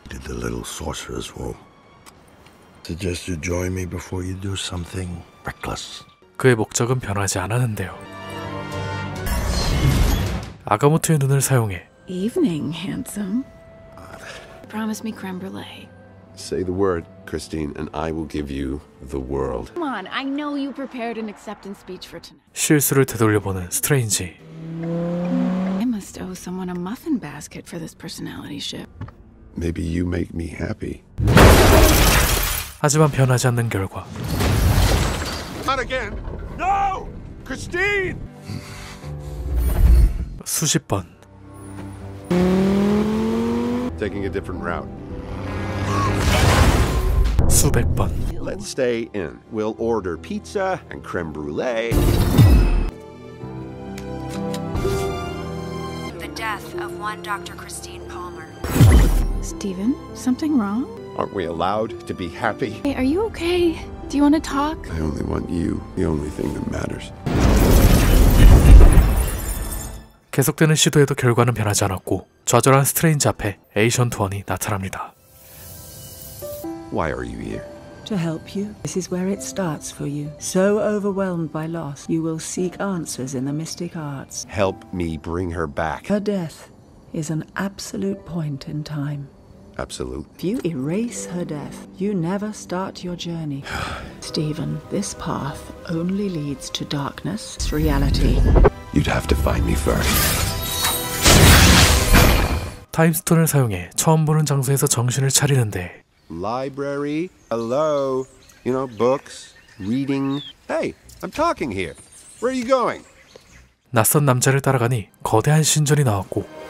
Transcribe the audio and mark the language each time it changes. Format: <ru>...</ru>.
<en>Did the little sorcerer's room suggest you join me before you do something reckless?</en> <ko>그의 목적은 변하지 않았는데요. 아가모토의 눈을 사용해</ko> <en>Evening, handsome. Promise me creme brulee. Say the word, Christine, and I will give you the world. Come on, I know you prepared an acceptance speech for tonight.</en> <ko>실수를 되돌려보는 스트레인지.</ko> <en>I must owe someone a muffin basket for this personality shift. Maybe you make me happy.</en> <ko>하지만 변하지 않는 결과.</ko> <en>Not again. No! Christine!</en> <ko>수십 번.</ko> <en>Taking a different route.</en> <ko>수백 번.</ko> <en>Let's stay in. We'll order pizza and creme brulee. The death of one Dr. Christine Palmer. Steven, something wrong? Aren't we allowed to be happy? Hey, are you okay? Do you want to talk? I only want you. The only thing that matters.</en> <ko>계속되는 시도에도 결과는 변하지 않았고 좌절한 스트레인지 앞에 에이션트 원이 나타납니다.</ko> <en>Why are you here? To help you. This is where it starts for you. So overwhelmed by loss, you will seek answers in the mystic arts. Help me bring her back. Her death is an absolute point in time. Absolute. If you erase her death, you never start your journey. Stephen, this path only leads to darkness, reality. You'd have to find me first.</en> <ko>타임스톤을 사용해 처음 보는 장소에서 정신을 차리는데</ko> <en>Library? Hello? You know, books? Reading? Hey, I'm talking here. Where are you going?</en> <ko>낯선 남자를 따라가니 거대한 신전이 나왔고</ko>